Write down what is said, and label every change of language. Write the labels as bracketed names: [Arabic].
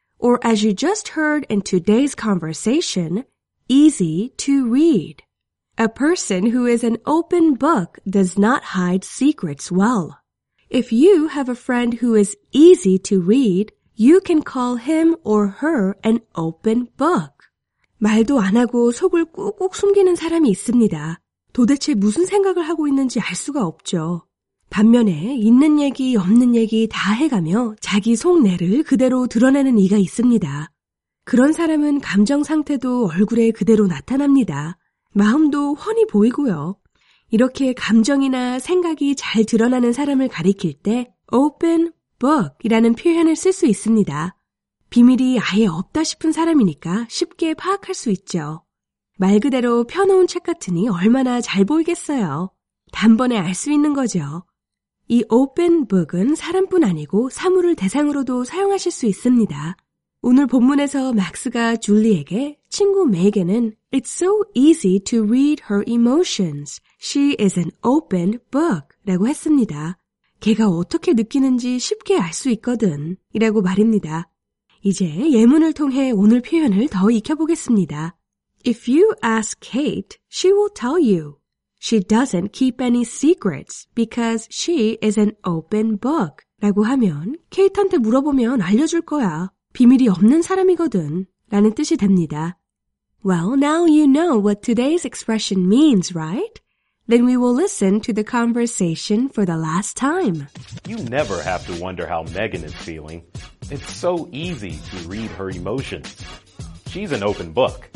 [English] Or as you just heard in today's conversation, easy to read. A person who is an open book does not hide secrets well. If you have a friend who is easy to read, you can call him or her an open book. [Korean] 말도 안 하고 속을 꾹꾹 숨기는 사람이 있습니다. 도대체 무슨 생각을 하고 있는지 알 수가 없죠. 반면에 있는 얘기, 없는 얘기 다 해가며 자기 속내를 그대로 드러내는 이가 있습니다. 그런 사람은 감정 상태도 얼굴에 그대로 나타납니다. 마음도 훤히 보이고요. 이렇게 감정이나 생각이 잘 드러나는 사람을 가리킬 때 open book이라는 표현을 쓸 수 있습니다. 비밀이 아예 없다 싶은 사람이니까 쉽게 파악할 수 있죠. 말 그대로 펴놓은 책 같으니 얼마나 잘 보이겠어요. 단번에 알 수 있는 거죠. 이 open book은 사람뿐 아니고 사물을 대상으로도 사용하실 수 있습니다. 오늘 본문에서 맥스가 줄리에게 친구 메건은 [English] It's so easy to read her emotions. She is an open book. [Korean] 라고 했습니다. 걔가 어떻게 느끼는지 쉽게 알 수 있거든. 이라고 말입니다. 이제 예문을 통해 오늘 표현을 더 익혀보겠습니다. [English] If you ask Kate, she will tell you. She doesn't keep any secrets because she is an open book. [Korean] 라고 하면 케이트한테 물어보면 알려줄 거야. 비밀이 없는 사람이거든. 라는 뜻이 됩니다. [English] Well, now you know what today's expression means, right? Then we will listen to the conversation for the last time. You never have to wonder how Megan is feeling. It's so easy to read her emotions. She's an open book.